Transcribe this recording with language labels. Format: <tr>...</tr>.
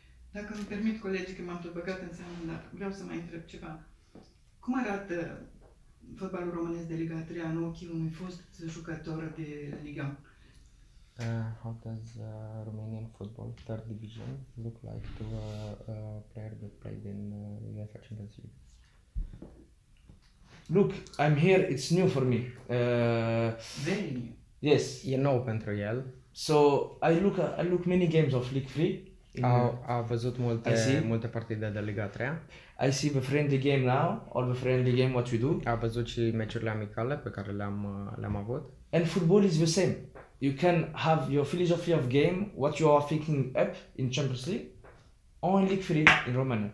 <ro>Dacă îmi permit, colegii, că m-am tot băgat în seamă, dar vreau să mai întreb ceva. Cum arată fotbalul românesc de Liga 3 în ochii unui fost jucător de Liga?</ro> <en>How does Romanian football, third division, look like to a player that played in UEFA Champions League? Look, I'm here, it's new for me. Very new. Yes.</en> <ro>E nou pentru el.</ro> <en>So, I look many games of League 3.</en> <ro>A văzut multe partide de Liga 3.</ro> <en>I see the friendly game now, or the friendly game what we do.</en> <ro>A văzut și meciurile amicale pe care le-am avut.</ro> <en>And football is the same. You can have your philosophy of game, what you are thinking up in Champions League, or in League 3 in Romania.</en>